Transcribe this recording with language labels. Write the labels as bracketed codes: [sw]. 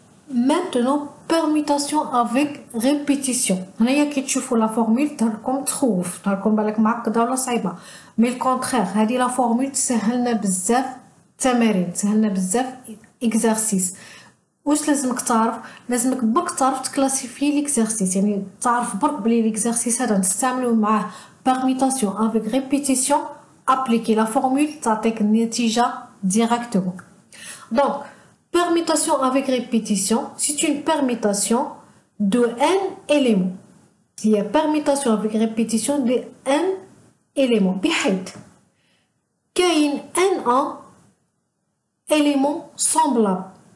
[fr] maintenant permutation avec répétition. [ar] هنايا كي تشوفوا لا فورمول تاعكم تخوف، تاعكم بالك معقده ولا صعيبه، [fr] مي الكونترير [ar] هذه لا فورمول تسهلنا بزاف التمارين، تسهلنا بزاف اكزرسيس. واش لازمك تعرف؟ لازمك برك تعرف تكلاسيفي ليكزرسيس، يعني تعرف برك بلي ليكزرسيس هذا نستعملو معاه [fr] permutation avec répétition، [ar] ابليكي لا فورمول تعطيك النتيجه ديريكتومون. [fr] Donc, permutation avec répétition, c'est une permutation de n éléments. Il y a permutation avec répétition de n éléments. Behind, qu'il y a n éléments semblables.